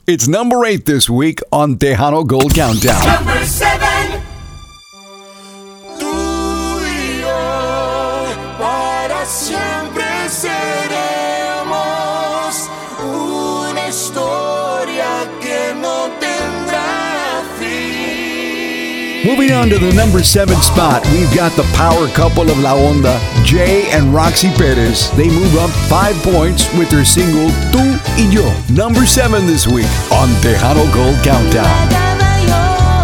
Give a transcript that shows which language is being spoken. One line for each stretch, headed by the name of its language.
English: It's number 8 this week on Tejano Gold Countdown. Number 7.
Spanish: Tú y yo para siempre seremos una historia que no tendrá fin.
English: Moving on to the number 7 spot, we've got the power couple of La Onda, Jay and Roxy Perez. They move up 5 points with their single Tú y Yo. Number 7 this week on Tejano Gold Countdown.